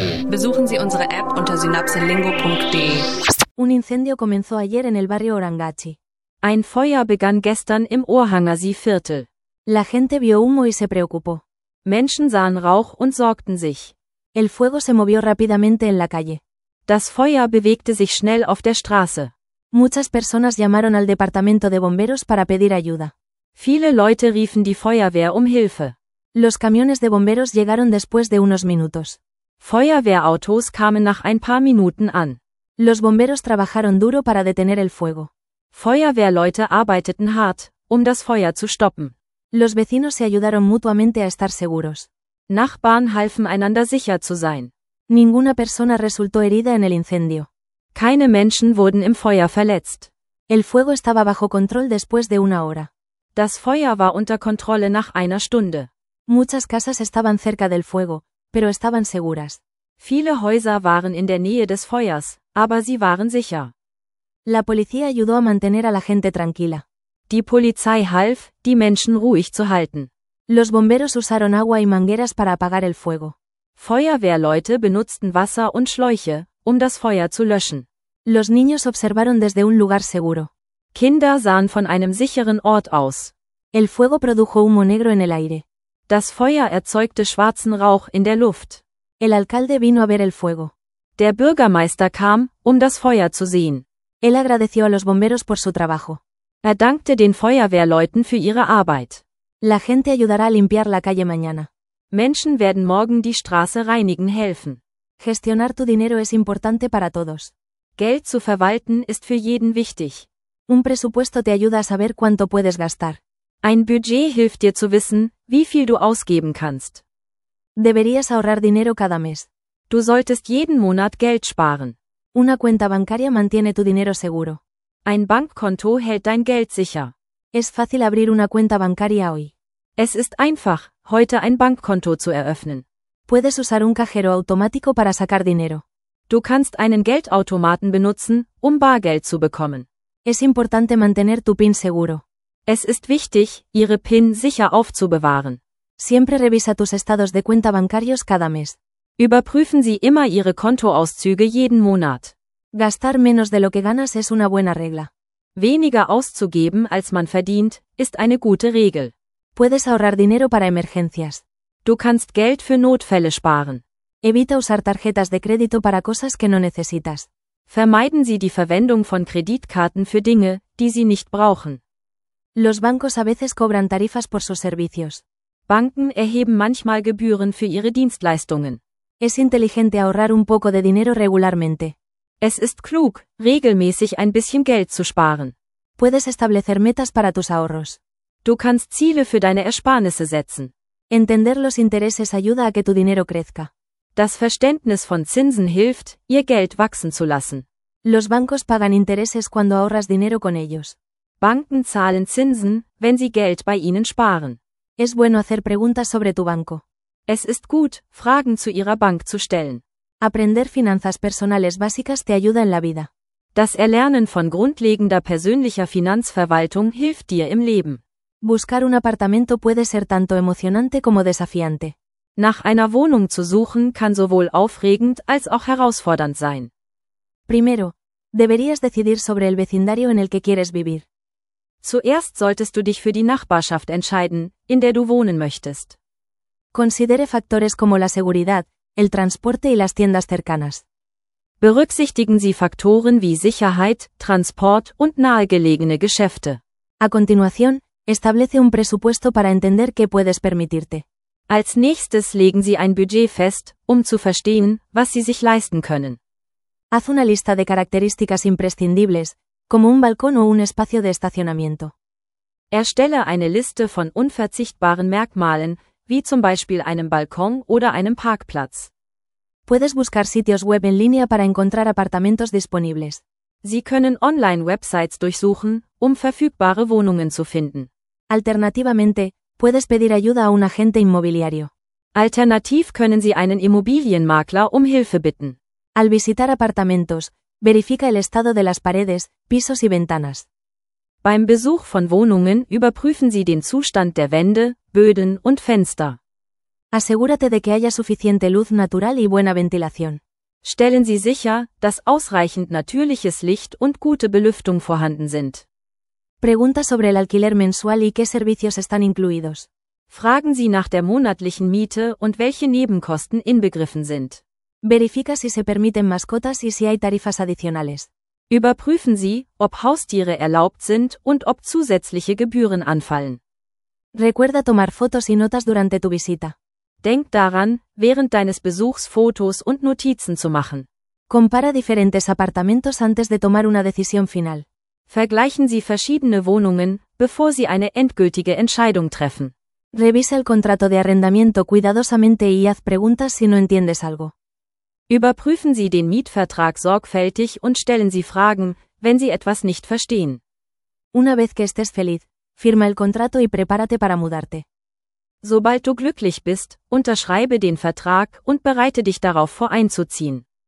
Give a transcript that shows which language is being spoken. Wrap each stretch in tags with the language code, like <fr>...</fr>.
<de>Besuchen Sie unsere App unter synapselingo.de.</de> <es>Un incendio comenzó ayer en el barrio Orangachi.</es> <de>Ein Feuer begann gestern im Orhangasi-Viertel.</de> <es>La gente vio humo y se preocupó.</es> <de>Menschen sahen Rauch und sorgten sich.</de> <es>El fuego se movió rápidamente en la calle.</es> <de>Das Feuer bewegte sich schnell auf der Straße.</de> <es>Muchas personas llamaron al departamento de bomberos para pedir ayuda.</es> <de>Viele Leute riefen die Feuerwehr um Hilfe.</de> <es>Los camiones de bomberos llegaron después de unos minutos.</es> <de>Feuerwehrautos kamen nach ein paar Minuten an.</de> <es>Los bomberos trabajaron duro para detener el fuego.</es> <de>Feuerwehrleute arbeiteten hart, um das Feuer zu stoppen.</de> <es>Los vecinos se ayudaron mutuamente a estar seguros.</es> <de>Nachbarn halfen einander sicher zu sein.</de> <es>Ninguna persona resultó herida en el incendio.</es> <de>Keine Menschen wurden im Feuer verletzt.</de> <es>El fuego estaba bajo control después de una hora.</es> <de>Das Feuer war unter Kontrolle nach einer Stunde.</de> <es>Muchas casas estaban cerca del fuego, pero estaban seguras.</es> <de>Viele Häuser waren in der Nähe des Feuers, aber sie waren sicher.</de> <es>La policía ayudó a mantener a la gente tranquila.</es> <de>Die Polizei half, die Menschen ruhig zu halten.</de> <es>Los bomberos usaron agua y mangueras para apagar el fuego.</es> <de>Feuerwehrleute benutzten Wasser und Schläuche, um das Feuer zu löschen.</de> <es>Los niños observaron desde un lugar seguro.</es> <de>Kinder sahen von einem sicheren Ort aus.</de> <es>El fuego produjo humo negro en el aire.</es> <de>Das Feuer erzeugte schwarzen Rauch in der Luft.</de> <es>El alcalde vino a ver el fuego.</es> <de>Der Bürgermeister kam, um das Feuer zu sehen.</de> <es>Él agradeció a los bomberos por su trabajo.</es> <de>Er dankte den Feuerwehrleuten für ihre Arbeit.</de> <es>La gente ayudará a limpiar la calle mañana.</es> <de>Menschen werden morgen die Straße reinigen helfen.</de> <es>Gestionar tu dinero es importante para todos.</es> <de>Geld zu verwalten ist für jeden wichtig.</de> <es>Un presupuesto te ayuda a saber cuánto puedes gastar.</es> <de>Ein Budget hilft dir zu wissen, wie viel du ausgeben kannst.</de> <es>Deberías ahorrar dinero cada mes.</es> <de>Du solltest jeden Monat Geld sparen.</de> <es>Una cuenta bancaria mantiene tu dinero seguro.</es> <de>Ein Bankkonto hält dein Geld sicher.</de> <es>Es fácil abrir una cuenta bancaria hoy.</es> <de>Es ist einfach, heute ein Bankkonto zu eröffnen.</de> <es>Puedes usar un cajero automático para sacar dinero.</es> <de>Du kannst einen Geldautomaten benutzen, um Bargeld zu bekommen.</de> <es>Es importante mantener tu PIN seguro.</es> <de>Es ist wichtig, ihre PIN sicher aufzubewahren.</de> <es>Siempre revisa tus estados de cuenta bancarios cada mes.</es> <de>Überprüfen Sie immer Ihre Kontoauszüge jeden Monat.</de> <es>Gastar menos de lo que ganas es una buena regla.</es> <de>Weniger auszugeben, als man verdient, ist eine gute Regel.</de> <es>Puedes ahorrar dinero para emergencias.</es> <de>Du kannst Geld für Notfälle sparen.</de> <es>Evita usar tarjetas de crédito para cosas que no necesitas.</es> <de>Vermeiden Sie die Verwendung von Kreditkarten für Dinge, die Sie nicht brauchen.</de> <es>Los bancos a veces cobran tarifas por sus servicios.</es> <de>Banken erheben manchmal Gebühren für ihre Dienstleistungen.</de> <es>Es inteligente ahorrar un poco de dinero regularmente.</es> <de>Es ist klug, regelmäßig ein bisschen Geld zu sparen.</de> <es>Puedes establecer metas para tus ahorros.</es> <de>Du kannst Ziele für deine Ersparnisse setzen.</de> <es>Entender los intereses ayuda a que tu dinero crezca.</es> <de>Das Verständnis von Zinsen hilft, ihr Geld wachsen zu lassen.</de> <es>Los bancos pagan intereses cuando ahorras dinero con ellos.</es> <de>Banken zahlen Zinsen, wenn sie Geld bei ihnen sparen.</de> <es>Es bueno hacer preguntas sobre tu banco.</es> <de>Es ist gut, Fragen zu ihrer Bank zu stellen.</de> <es>Aprender finanzas personales básicas te ayuda en la vida.</es> <de>Das Erlernen von grundlegender persönlicher Finanzverwaltung hilft dir im Leben.</de> <es>Buscar un apartamento puede ser tanto emocionante como desafiante.</es> <de>Nach einer Wohnung zu suchen kann sowohl aufregend als auch herausfordernd sein.</de> <es>Primero, deberías decidir sobre el vecindario en el que quieres vivir.</es> <de>Zuerst solltest du dich für die Nachbarschaft entscheiden, in der du wohnen möchtest.</de> <es>Considere factores como la seguridad, el transporte y las tiendas cercanas.</es> <de>Berücksichtigen Sie Faktoren wie Sicherheit, Transport und nahegelegene Geschäfte.</de> <es>A continuación, establece un presupuesto para entender qué puedes permitirte.</es> <de>Als nächstes legen Sie ein Budget fest, um zu verstehen, was Sie sich leisten können.</de> <es>Haz una lista de características imprescindibles, como un balcón o un espacio de estacionamiento.</es> <de>Erstelle eine Liste von unverzichtbaren Merkmalen, wie zum Beispiel einem Balkon oder einem Parkplatz.</de> <es>Puedes buscar sitios web en línea para encontrar apartamentos disponibles.</es> <de>Sie können Online-Websites durchsuchen, um verfügbare Wohnungen zu finden.</de> <es>Alternativamente, puedes pedir ayuda a un agente inmobiliario.</es> <de>Alternativ können Sie einen Immobilienmakler um Hilfe bitten.</de> <es>Al visitar apartamentos, verifica el estado de las paredes, pisos y ventanas.</es> <de>Beim Besuch von Wohnungen überprüfen Sie den Zustand der Wände, Böden und Fenster.</de> <es>Asegúrate de que haya suficiente luz natural y buena ventilación.</es> <de>Stellen Sie sicher, dass ausreichend natürliches Licht und gute Belüftung vorhanden sind.</de> <es>Pregunta sobre el alquiler mensual y qué servicios están incluidos.</es> <de>Fragen Sie nach der monatlichen Miete und welche Nebenkosten inbegriffen sind.</de> <es>Verifica si se permiten mascotas y si hay tarifas adicionales.</es> <de>Überprüfen Sie, ob Haustiere erlaubt sind und ob zusätzliche Gebühren anfallen.</de> <es>Recuerda tomar fotos y notas durante tu visita.</es> <de>Denk daran, während deines Besuchs Fotos und Notizen zu machen.</de> <es>Compara diferentes apartamentos antes de tomar una decisión final.</es> <de>Vergleichen Sie verschiedene Wohnungen, bevor Sie eine endgültige Entscheidung treffen.</de> <es>Revisa el contrato de arrendamiento cuidadosamente y haz preguntas si no entiendes algo.</es> <de>Überprüfen Sie den Mietvertrag sorgfältig und stellen Sie Fragen, wenn Sie etwas nicht verstehen.</de> <es>Una vez que estés feliz, firma el contrato y prepárate para mudarte.</es> <de>Sobald du glücklich bist, unterschreibe den Vertrag und bereite dich darauf vor einzuziehen.</de>